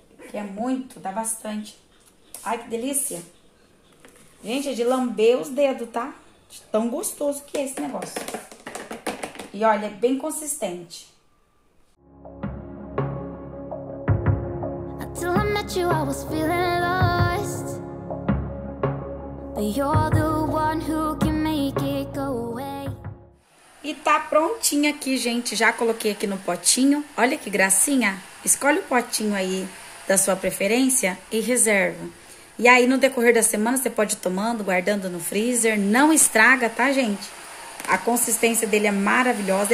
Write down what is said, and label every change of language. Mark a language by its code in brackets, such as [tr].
[pt] Que é muito, dá bastante. Ai, que delícia. Gente, é de lamber os dedos, tá? Tão gostoso que é esse negócio. E olha, é bem consistente. [en] You, I was feeling lost, but you're the one who can make it go away. [pt] E tá prontinha aqui, gente. Já coloquei aqui no potinho. Olha que gracinha. Escolhe o potinho aí da sua preferência e reserva. E aí, no decorrer da semana, você pode ir tomando, guardando no freezer. Não estraga, tá, gente? A consistência dele é maravilhosa.